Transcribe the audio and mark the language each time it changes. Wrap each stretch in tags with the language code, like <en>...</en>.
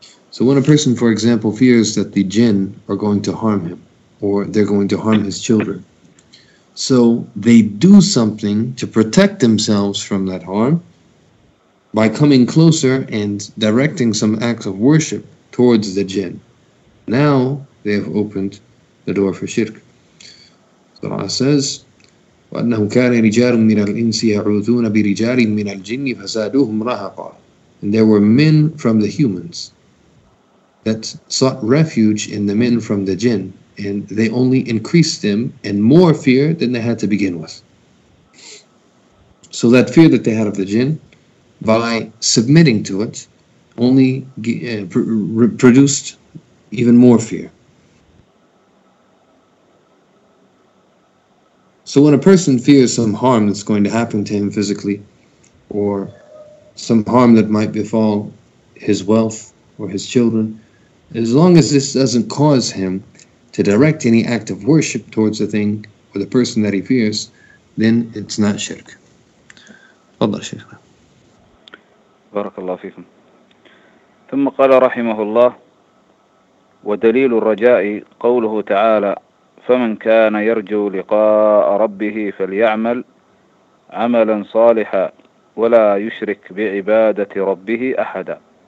<en>So when a person, for example, fears that the jinn are going to harm him, or they're going to harm his children, so they do something to protect themselves from that harm by coming closer and directing some acts of worship towards the jinn. Now they have opened the door for shirk. Surah says,</en> <ar>وَأَنَّهُ كَانَ رِجَالٌ مِّنَ الْإِنسِ يَعُوذُونَ بِرِجَالٍ مِّنَ الْجِنِّ فَزَادُوهُمْ رَهَقًا.</ar> <en>And there were men from the humans that sought refuge in the men from the jinn, and they only increased them and more fear than they had to begin with. So that fear that they had of the jinn, by submitting to it, only produced even more fear. So when a person fears some harm that's going to happen to him physically, or some harm that might befall his wealth or his children, as long as this doesn't cause him to direct any act of worship towards the thing or the person that he fears, then it's not shirk. Allah Shaykh.</en> <ar>بارك الله فيكم. ثم قال رحمه الله ودليل الرجاء قوله تعالى فمن كان يرجو لقاء ربه فليعمل عملا صالحا ولا يشرك بعبادة ربه أحدا.</ar>